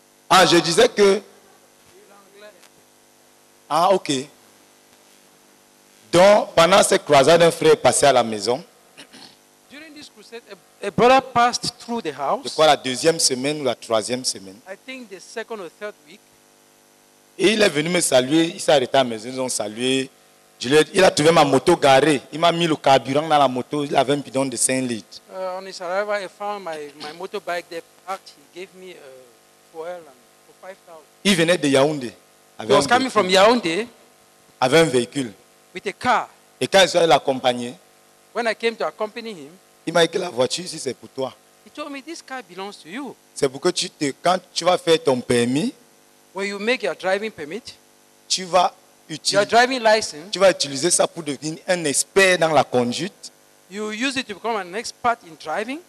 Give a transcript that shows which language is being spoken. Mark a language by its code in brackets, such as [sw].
[fr] Ah, je disais que... Ah, ok. Donc, pendant cette croisade, un frère est passé à la maison. [en] During this crusade, a brother passed through the house. [fr] De quoi, la deuxième semaine ou la troisième semaine? [en] I think the second or third week. [fr] Et il est venu me saluer. Il s'est arrêté à la maison. Ils ont salué. Il a trouvé ma moto garée. Il m'a mis le carburant dans la moto. Il avait un bidon de 5 litres. [en] On his arrival, I found my motorbike there parked. He gave me oil for 5,000. [fr] Il venait de Yaoundé. [en] He was coming from Yaoundé. [fr] Avec un véhicule. [en] With a car. [fr] Et quand je suis allé l'accompagner, [en] when I came to accompany him, [fr] il m'a écrit la voiture si c'est pour toi. [en] He told me this car belongs to you. [fr] C'est pour que quand tu vas faire ton permis, [en] when you make your driving permit, [fr] tu vas utiliser, [en] your driving license, [fr] tu vas utiliser ça pour devenir un expert dans la conduite. [en] You use it to become an expert in driving.